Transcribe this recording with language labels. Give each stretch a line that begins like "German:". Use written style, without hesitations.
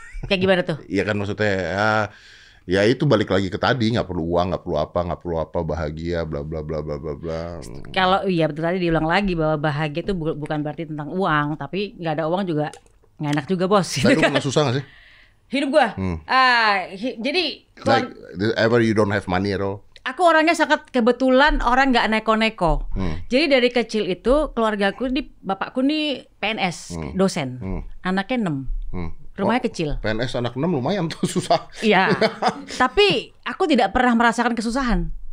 Indonesian: Kayak gimana tuh? Iya kan maksudnya, ya itu balik lagi ke tadi, gak perlu uang, gak perlu apa, bahagia, bla bla bla bla bla bla. Kalau iya betul tadi diulang lagi bahwa bahagia itu bukan berarti tentang uang, tapi gak ada uang juga gak enak juga bos. Tapi lu pernah susah gak sih? Hidup gue? Jadi
English: like, ever you don't have money at all?
Indonesian: Aku orangnya sangat kebetulan orang gak neko-neko. Jadi dari kecil itu keluargaku, bapakku nih PNS, dosen, anaknya 6. Rumahnya kecil. PNS anak 6 lumayan tuh susah. Iya. Tapi aku tidak pernah merasakan kesusahan.